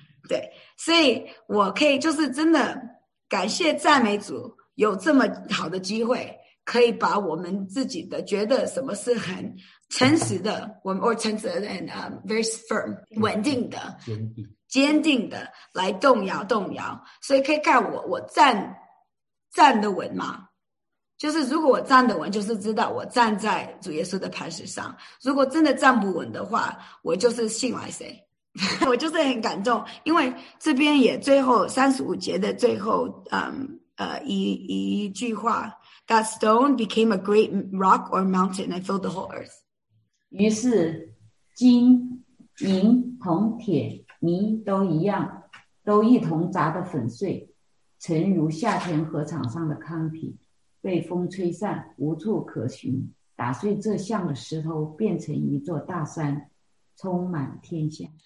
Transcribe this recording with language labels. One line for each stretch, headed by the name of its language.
Chinese: 对，所以我可以就是真的感谢赞美主有这么好的机会，可以把我们自己的觉得什么是很诚实的，我们
English: or
Chinese: 诚实的
English: and very firm
Chinese: 稳定的坚定的来动摇。所以可以看我站得稳吗？就是如果我站得稳，就是知道我站在主耶稣的磐石上，如果真的站不稳的话，我就是信赖谁？我就是很感动，因为这边也最后35节的最后一句话
English: That stone became a great rock or mountain and filled the whole earth.
Chinese: 于是金银铜铁泥都一样，都一同砸得粉碎，成如夏天河场上的糠皮，被风吹散，无处可寻。打碎这像的石头，变成一座大山，充满天下。